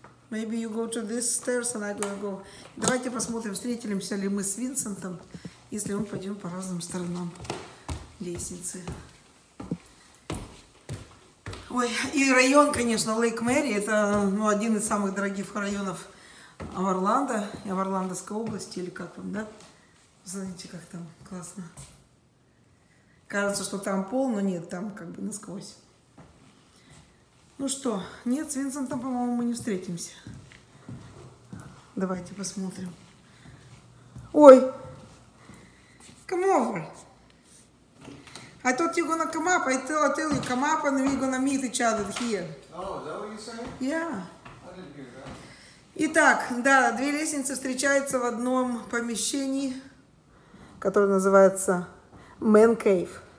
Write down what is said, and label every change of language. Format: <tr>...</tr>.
<en>Maybe you go to this stairs and I go to go.</en> <ru>Давайте посмотрим, встретимся ли мы с Винсентом, если мы пойдем по разным сторонам лестницы. Ой, и район, конечно, Лейк Мэри, это, ну, один из самых дорогих районов в Орландо, в Орландоской области, или как там, да? Знаете, как там классно. Кажется, что там пол, но нет, там как бы насквозь. Ну что, нет, с Винсентом, по-моему, мы не встретимся. Давайте посмотрим. Ой!</ru> <en>Come over! I thought you're gonna come up. I tell you, come up and we're gonna meet each other here. Oh, is that what you say? Yeah. I didn't hear that.</en> <ru>Итак, да, две лестницы встречаются в одном помещении, которое называется Man Cave.</ru>